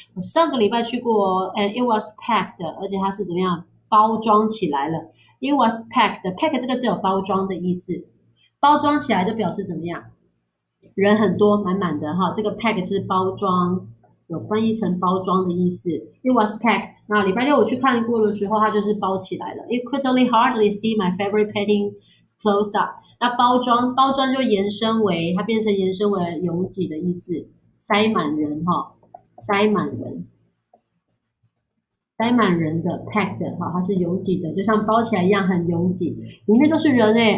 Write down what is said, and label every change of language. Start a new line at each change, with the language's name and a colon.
Chinese: 我上个礼拜去过哦，
English: and it was packed,
Chinese: 而且它是怎么样包装起来了。
English: It was packed,
Chinese: pack 这个字有包装的意思。包装起来就表示怎么样，人很多，满满的哈。这个 pack 是包装，有翻译成包装的意思。
English: It was packed,
Chinese: 那礼拜六我去看过了之后，它就是包起来了。
English: You could only hardly see my favorite painting close up.
Chinese: 那包装，包装就延伸为，它变成延伸为拥挤的意思，塞满人哈，塞满人，塞满人的 packed 哈，它是拥挤的，就像包起来一样很拥挤，里面都是人哎。